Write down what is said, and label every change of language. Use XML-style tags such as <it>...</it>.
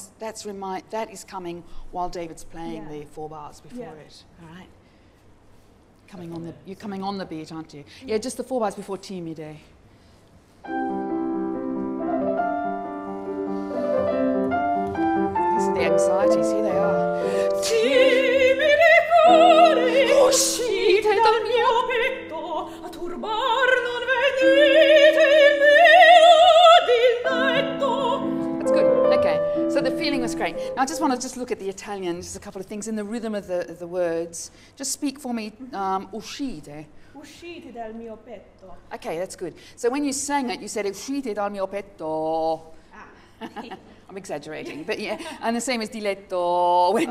<en>That is coming while David's playing the four bars before it. All right. Coming on the, you're coming on the beat, aren't you? Yeah, just the four bars before timide. These are the anxieties, here they are.</en> <it>Timide cuore, uscite dal mio petto, a turbar non venite il mio diletto.</it> <en>That's good, okay. So the feeling was great. Now I just want to just look at the Italian, just a couple of things in the rhythm of the words. Just speak for me, uscite.</en> <it>Uscite dal mio petto.</it> <en>Okay, that's good. So when you sang it, you said uscite dal mio petto. Ah. I'm exaggerating, but yeah. And the same as diletto went</en>